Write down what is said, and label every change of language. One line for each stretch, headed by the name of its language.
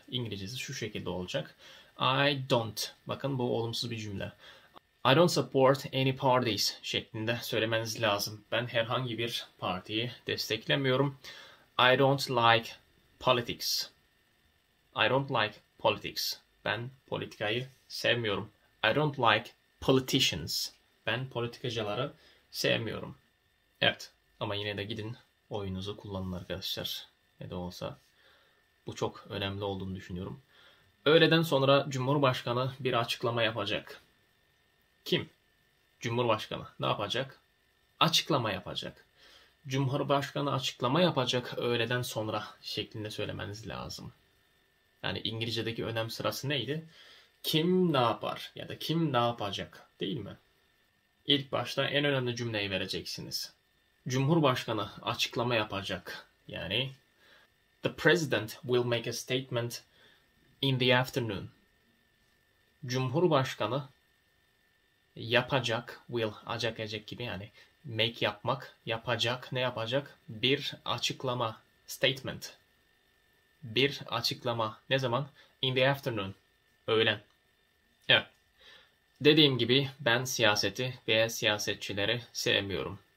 Turkish: İngilizcesi şu şekilde olacak.
English: I don't.
Turkish: Bakın bu olumsuz bir cümle.
English: I don't support any parties
Turkish: şeklinde söylemeniz lazım. Ben herhangi bir partiyi desteklemiyorum.
English: I don't like politics. I don't like politics.
Turkish: Ben politikayı sevmiyorum.
English: I don't like politicians.
Turkish: Ben politikacıları sevmiyorum. Evet, ama yine de gidin oyunuzu kullanın arkadaşlar. Ne de olsa bu çok önemli olduğunu düşünüyorum. Öğleden sonra Cumhurbaşkanı bir açıklama yapacak. Kim? Cumhurbaşkanı. Ne yapacak? Açıklama yapacak. Cumhurbaşkanı açıklama yapacak öğleden sonra şeklinde söylemeniz lazım. Yani İngilizce'deki önem sırası neydi? Kim ne yapar ya da kim ne yapacak değil mi? İlk başta en önemli cümleyi vereceksiniz. Cumhurbaşkanı açıklama yapacak. Yani
English: The president will make a statement in the afternoon.
Turkish: Cumhurbaşkanı yapacak,
English: will,
Turkish: acak gibi yani
English: make
Turkish: yapmak, yapacak, ne yapacak? Bir açıklama, statement. Bir açıklama, ne zaman?
English: In the afternoon,
Turkish: öğlen. Evet, dediğim gibi ben siyaseti veya siyasetçileri sevmiyorum.